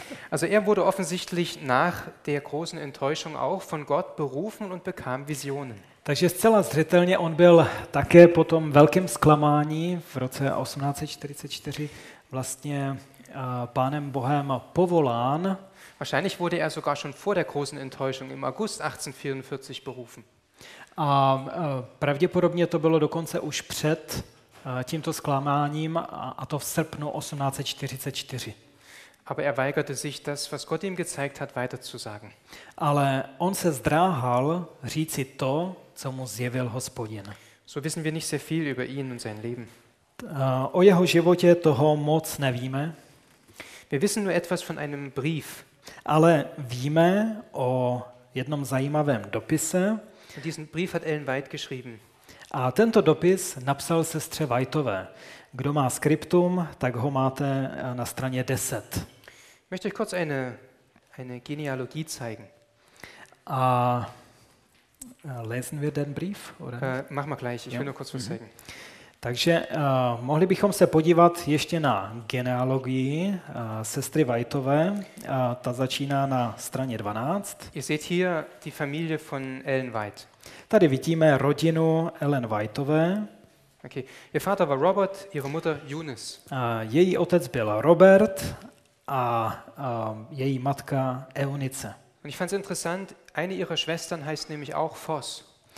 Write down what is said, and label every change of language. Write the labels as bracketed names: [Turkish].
[German] Also er wurde offensichtlich nach der großen Enttäuschung auch von Gott berufen und bekam Visionen. [Czech] Takže zcela zřetelně on byl také po tom velkém zklamání v roce 1844 vlastně pánem Bohem povolán. [German] Wahrscheinlich wurde er sogar schon vor der großen Enttäuschung im August 1844 berufen. [Czech] A pravděpodobně to bylo dokonce už před tímto zklamáním, a to v srpnu 1844. [German] Aber er weigerte sich, das, was Gott ihm gezeigt hat, weiterzusagen. [Czech] Ale on se zdráhal říci to, co mu zjevil Hospodin. [German] So wissen wir nicht sehr viel über ihn und sein Leben. [Czech] O jeho životě toho moc nevíme. [German] Wir wissen nur etwas von einem Brief. [Czech] Ale víme o jednom zajímavém dopise. [German] Und diesen Brief hat Ellen White geschrieben. [Czech] A tento dopis napsal sestře Whiteové. Kdo má skriptum, tak ho máte na straně 10. [German] Möchte ich kurz eine Genealogie zeigen. A lesen wir den Brief? Oder? Mach mal gleich, ich will nur kurz was zeigen. [Czech] Takže mohli bychom se podívat ještě na genealogii sestry Whiteové. Ta začíná na straně 12. [German] Ihr seht hier die Familie von Ellen White. [Czech] Tady vidíme rodinu Ellen Whiteové. Okay. [German] Ihr Vater war Robert, ihre Mutter Eunice. [Czech] Její otec byl Robert a její matka Eunice. [German] Und ich fand's interessant, eine ihrer Schwestern heißt nämlich auch Foss.